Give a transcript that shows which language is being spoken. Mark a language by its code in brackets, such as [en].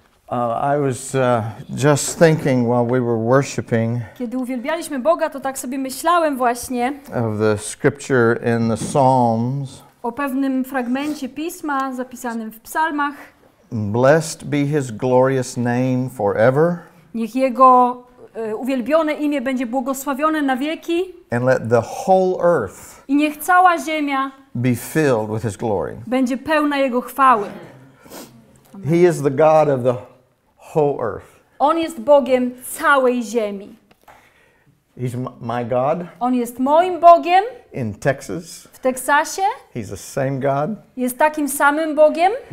[en] I was just thinking while we were worshiping. [pl] Kiedy uwielbialiśmy Boga, to tak sobie myślałem właśnie. [en] Of the scripture in the Psalms. [pl] O pewnym fragmencie pisma zapisanym w Psalmach. [en] Blessed be his glorious name forever. [pl] Niech jego uwielbione imię będzie błogosławione na wieki. [en] And let the whole earth. [pl] I niech cała ziemia. [en] Be filled with his glory. [pl] Będzie pełna jego chwały. [en] He is the God of the whole earth. [pl] On jest Bogiem całej ziemi. [en] He's my God. [pl] On jest moim Bogiem. [en] In Texas. [pl] W Teksasie. [en] He's the same God. [pl] Jest takim samym Bogiem.